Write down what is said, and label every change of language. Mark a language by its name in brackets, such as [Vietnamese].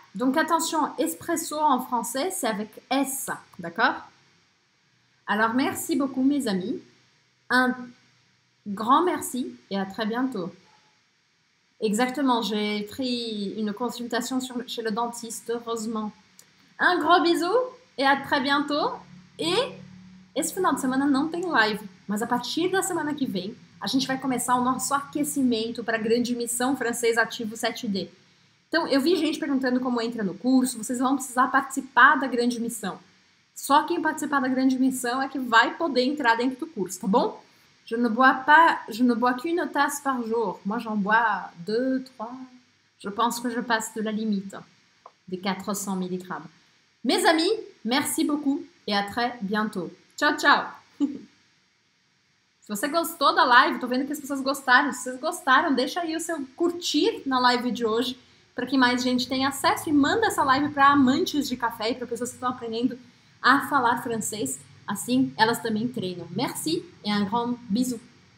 [French] Donc attention, espresso en français, c'est avec S. D'accord? Alors, merci beaucoup, mes amis. Un grand merci et à très bientôt. Exactement, j'ai pris une consultation chez le dentiste, heureusement. Un gros bisou et à très bientôt. [Portuguese] Et esse final de semana não tem live, mas a partir da semana que vem, a gente vai começar o nosso aquecimento para a grande missão francês Ativo 7D. Então, eu vi gente perguntando como entra no curso, vocês vão precisar participar da grande missão. Só quem participar da grande missão é que vai poder entrar dentro do curso, tá bom? [French] Je ne bois pas, je ne bois qu'une tasse par jour. Moi, j'en bois deux, trois. Je pense que je passe de la limite des 400 mg. Mes amis, merci beaucoup et à très bientôt. [Italian] Ciao, ciao! [Portuguese] Se você gostou da live, tô vendo que as pessoas gostaram. Se vocês gostaram, deixa aí o seu curtir na live de hoje para que mais gente tenha acesso e manda essa live para amantes de café e para pessoas que estão aprendendo a falar francês. Assim, elas também treinam. Merci e [French] un grand bisou.